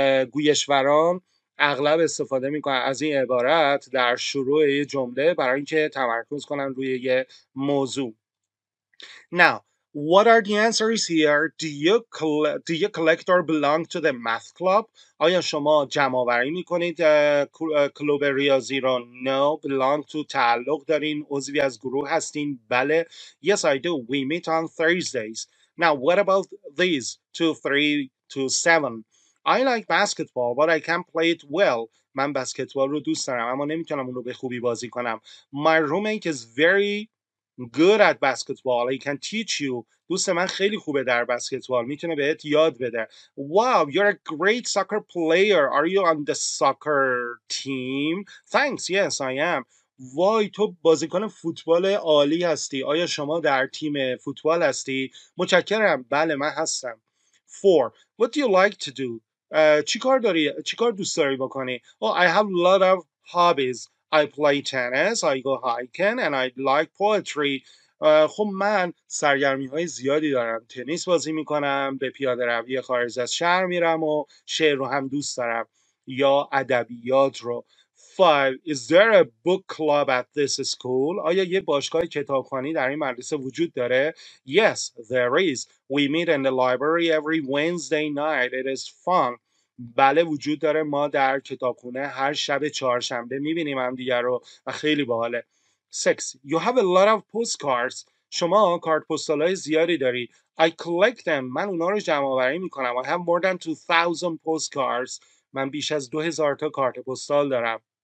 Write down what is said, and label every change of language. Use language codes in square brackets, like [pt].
[fa] گویشوران اغلب استفاده میکنن از این عبارت در شروع جمله برای اینکه تمرکز کنن روی یه موضوع. [en] Now, what are the answers here? Do you collect or belong to the math club? [fa] آیا شما جمع‌آوری می‌کنید کلوب ریاضی رو؟ [en] No, belong to, [fa] تعلق دارین, عضوی از گروه هستین. بله. [en] Yes, I do. We meet on Thursdays. Now, what about these 2, 3, 2, 7? I like basketball, but I can't play it well. [fa] من بسکتبال رو دوست دارم اما نمیتونم اون رو به خوبی بازی کنم. [en] My roommate is very good at basketball. He can teach you. [fa] دوست من خیلی خوبه در بسکتبال. میتونه بهت یاد بده. [en] Wow, you're a great soccer player. Are you on the soccer team? Thanks, yes, I am. [fa] وای, تو بازیکن فوتبال عالی هستی. آیا شما در تیم فوتبال هستی؟ متشکرم. بله, من هستم. [en] 4. What do you like to do? [fa] چی کار دوست داری بکنی؟ [en] Oh, I have a lot of hobbies. I play tennis, I go hiking, and I like poetry. [fa] خب من سرگرمی های زیادی دارم. تنیس بازی می کنم, به پیاده روی خارج از شهر میرم و شعر رو هم دوست دارم یا ادبیات رو. [en] 5. Is there a book club at this school? [fa] آیا یه باشگاه کتابخوانی در این مدرسه وجود داره؟ [en] Yes, there is. We meet in the library every Wednesday night. It is fun. [fa] بله, وجود داره. ما در کتابخونه هر شب چهارشنبه میبینیم هم دیگر رو و خیلی باحاله. [en] 6. You have a lot of postcards. [fa] شما کارت پستال های زیادی داری. [en] I collect them. [fa] من اونا رو جمع آوری میکنم. [en] I have more than 2,000 postcards. [fa] من بیش از 2,000 تا کارت پستال دارم.